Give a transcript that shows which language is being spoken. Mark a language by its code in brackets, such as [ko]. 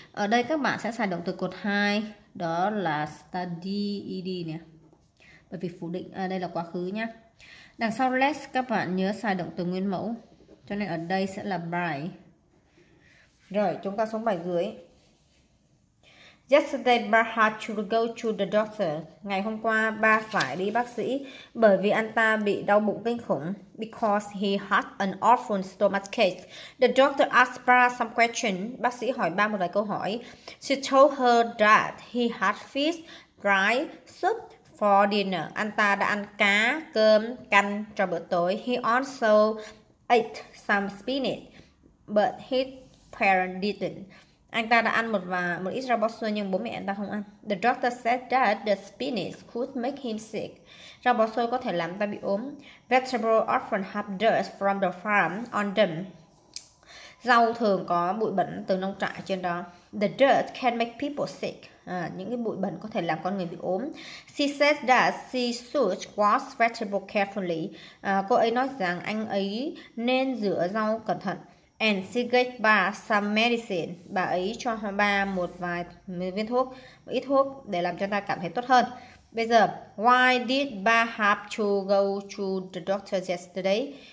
[vi] Ở đây các bạn sẽ xài động từ cột 2. Đó là study ed nè. Bởi vì phủ định, đây là quá khứ nhé. Đằng sau less các bạn nhớ xài động từ nguyên mẫu. Cho nên ở đây sẽ là by. Rồi chúng ta xuống bài dưới. [en] Yesterday ba had to go to the doctor. [vi] Ngày hôm qua ba phải đi bác sĩ bởi vì anh ta bị đau bụng kinh khủng. [en] Because he had an awful stomach case. The doctor asked ba some question. [vi] Bác sĩ hỏi ba một vài câu hỏi. [en] She told her that he had fish, rice, soup for dinner. [vi] Anh ta đã ăn cá, cơm, canh cho bữa tối. [en] He also ate some spinach, but his parents didn't. [vi] Anh ta đã ăn một ít rau bò xôi nhưng bố mẹ anh ta không ăn. [en] The doctor said that the spinach could make him sick. [vi] Rau bò xôi có thể làm ta bị ốm. [en] Vegetables often have dirt from the farm on them. [vi] Rau thường có bụi bẩn từ nông trại trên đó. [en] The dirt can make people sick. [vi] Những cái bụi bẩn có thể làm con người bị ốm. [en] She said that she should wash vegetables carefully. [vi] Cô ấy nói rằng anh ấy nên rửa rau cẩn thận. [en] And she gave ba some medicine. [vi] Bà ấy cho ba một vài viên thuốc, một ít thuốc để làm cho ta cảm thấy tốt hơn. Bây giờ, [en] why did ba have to go to the doctor yesterday?